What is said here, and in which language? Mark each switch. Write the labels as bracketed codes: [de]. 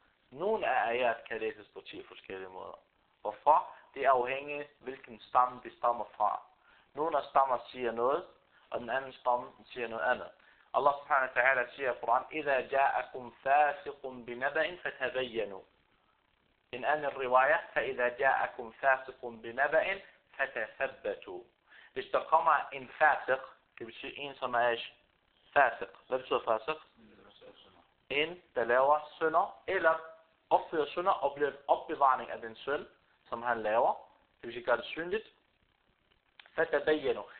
[da] Nogle af ayat kan læses på 10 forskellige måder. Hvorfor? Det er afhængigt, hvilken stamme de stammer fra. Nogle af stammer siger noget, og den anden stamme siger noget andet. Allah subhanahu wa ta'ala siger i Quran, [ar] إِذَا جَاءَكُمْ فَاسِقٌ بِنَبَئٍ فَتَبَيَّنُوا. [da] En anden riwaya, [ar] فَإِذَا جَاءَكُمْ فَاسِقٌ بِنَبَئٍ فَتَثَبَّتُوا. [da] Hvis der kommer en fasiq, det betyder en som er fasiq. Hvad betyder fasiq? En, der laver synder, eller opfører synder og bliver opbevaring af den synd, som han laver. Det vil sige, gør det syndigt. [ar] فَتَبَيَّنُوا.